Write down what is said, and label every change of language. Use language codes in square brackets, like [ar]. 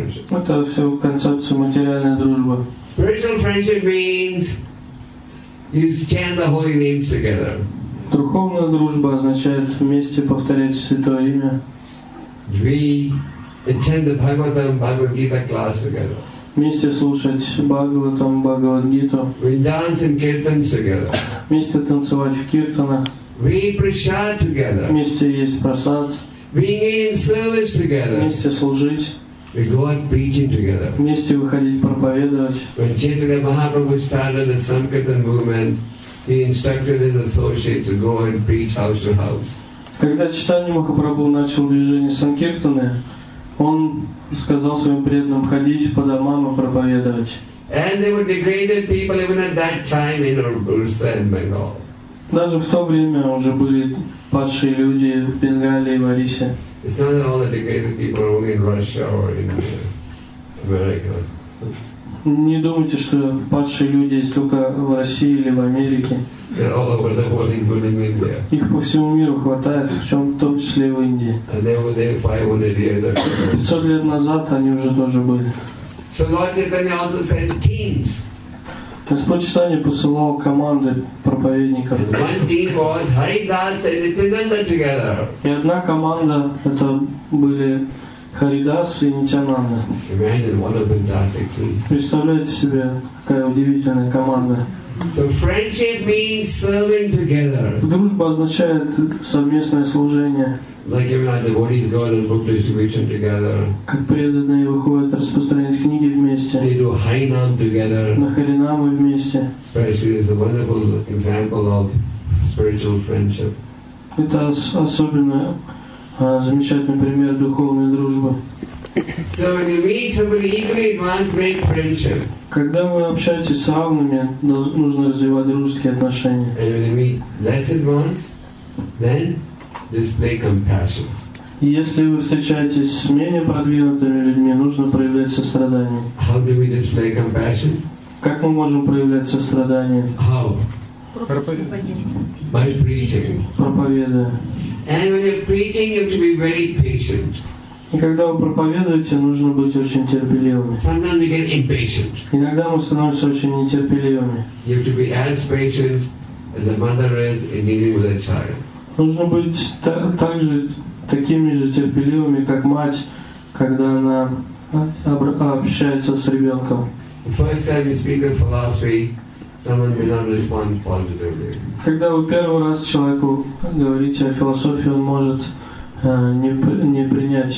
[ru] Это все концепция материальной дружбы. [en] Spiritual friendship means you chant the holy names together. [ru] Духовная дружба означает вместе повторять святое имя. [en] We attend the Bhagavatam Bhagavad Gita class together. [ru] Вместе слушать Бхагаватам Бхагавад Гиту. [en] We dance in kirtans together. [ru] Вместе танцевать в киртанах. [en] We eat prasad together. [ru] Вместе есть просад. [en] We engage in service together. [ru] Вместе служить. [en] We go out preaching together. [ru] Вместе выходить проповедовать. [en] When Chaitanya Mahaprabhu started the Sankirtan movement, he instructed his associates to go and preach house to house. [ru] Когда Чайтанья Махапрабху начал движение Санкиртаны, он сказал своим преданным ходить по домам и проповедовать. [en] And they were degraded people even at that time in Orissa and Bengal. [ru] Даже в то время уже были падшие люди в Бенгалии и в Орисе. [en] It's not that all the degraded people are only in Russia or in America. [ru] Не думайте, что падшие люди есть только в России или в Америке. [en] They're all over the world, including India. [ru] Их по всему миру хватает, в чем, в том числе и в Индии. [en] And they were there 500 years ago. [ru] 500 лет назад они уже тоже были. [en] So Lord Chaitanya also sent teams. [ru] Господь Чайтанья посылал команды проповедников. [en] One team was Haridas and Nityananda together. [ru] И одна команда это были Харидас и Нитянанда. [en] Imagine what a fantastic team. [ru] Представляете себе, какая удивительная команда. [en] So friendship means serving together. [ru] Дружба означает совместное служение. [en] Like even like the devotees go out and book distribution together. [ru] Как преданные выходят распространять книги вместе. [en] They do Харинам together. [ru] На Харинамы вместе. [en] Especially is a wonderful example of spiritual friendship. [ru] Это особенно замечательный пример духовной дружбы. [en] So when you meet somebody equally advanced, make friendship. [ru] Когда вы общаетесь с равными, нужно развивать дружеские отношения. [en] And when you meet less advanced, then display compassion. [ru] Если вы встречаетесь с менее продвинутыми людьми, нужно проявлять сострадание. [en] How do we display compassion? [ru] Как мы можем проявлять сострадание? [en] How? By preaching. [ru] Проповедуя. [en] And when you're preaching, you have to be very patient. [ru] И когда вы проповедуете, нужно быть очень терпеливыми. [en] Sometimes we get impatient. [ru] Иногда мы становимся очень нетерпеливыми. [en] You have to be as patient as a mother is in dealing with a child. [ru] Нужно быть также такими же терпеливыми, как мать, когда она общается с ребенком. [en] The first time you speak of philosophy, someone may not respond positively. [ru] Когда вы первый раз человеку говорите о философии, он может не принять